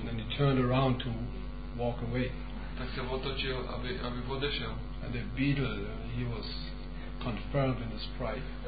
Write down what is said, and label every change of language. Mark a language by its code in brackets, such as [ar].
[en] And then he turned around to walk away. [cs] Tak se otočil, aby odešel. [en] And the beetle, he was confirmed in his pride.